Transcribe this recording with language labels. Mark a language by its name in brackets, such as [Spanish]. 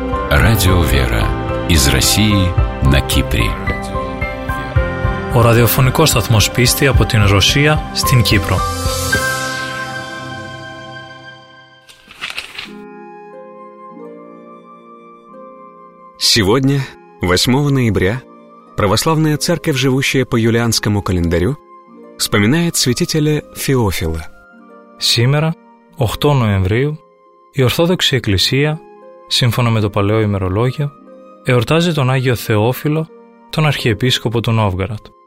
[Russian] Радио «Вера» из России на Кипре. [Greek] Ο ραδιοφωνικός σταθμός πίστη από την Ρωσία στην Κύπρο. [Russian] Сегодня, 8 ноября, православная церковь, живущая по юлианскому календарю, вспоминает святителя Феофила. Сегодня, 8 ноября, [Greek] η Ορθόδοξη Εκκλησία, σύμφωνα με το παλαιό ημερολόγιο, εορτάζει τον Άγιο Θεόφιλο, τον Αρχιεπίσκοπο του Νόβγαρατ.